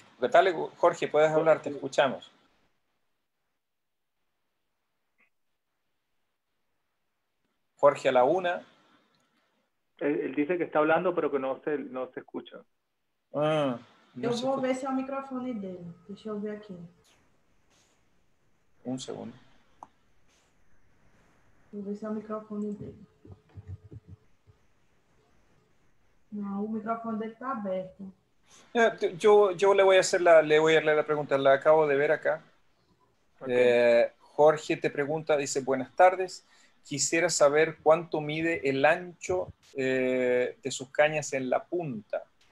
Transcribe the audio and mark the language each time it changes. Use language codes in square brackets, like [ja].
[es] Dale, Jorge, puedes hablar, te escuchamos. Jorge a la una. Él dice que está hablando, pero que no se escucha. Ah. [pt] Eu vou ver se é o microfone dele. Deixa eu ver aqui. Um segundo. Vou ver se é o microfone dele. Não, o microfone dele está aberto. [es] Eu le voy a hacer la pregunta. La acabo de ver acá. Okay. Jorge te pregunta, dice, buenas tardes. Quisiera saber cuánto mide el ancho de sus cañas en la punta.